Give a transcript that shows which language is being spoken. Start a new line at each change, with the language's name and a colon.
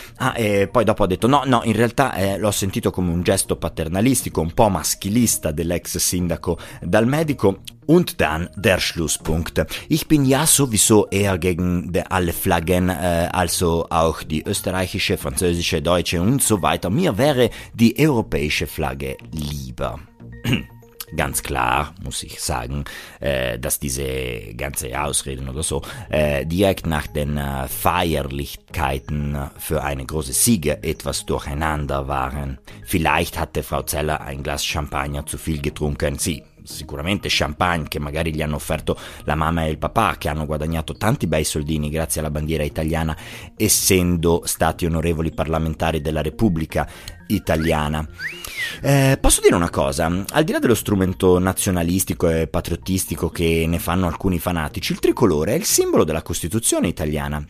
Italian: Ah, e poi dopo ha detto, no, in realtà l'ho sentito come un gesto paternalistico, un po' maschilista dell'ex sindaco Dalmedico.
German: Und dann der Schlusspunkt. Ich bin ja sowieso eher gegen alle Flaggen, also auch die österreichische, französische, deutsche und so weiter. Mir wäre die europäische Flagge lieber. Ganz klar, muss ich sagen, dass diese ganze Ausreden oder so direkt nach den Feierlichkeiten für eine große Siege etwas durcheinander waren. Vielleicht hatte Frau Zeller ein Glas Champagner zu viel getrunken.
Italian: Sì. Sicuramente champagne che magari gli hanno offerto la mamma e il papà, che hanno guadagnato tanti bei soldini grazie alla bandiera italiana, essendo stati onorevoli parlamentari della Repubblica Italiana. Posso dire una cosa? Al di là dello strumento nazionalistico e patriottistico che ne fanno alcuni fanatici, il tricolore è il simbolo della Costituzione italiana.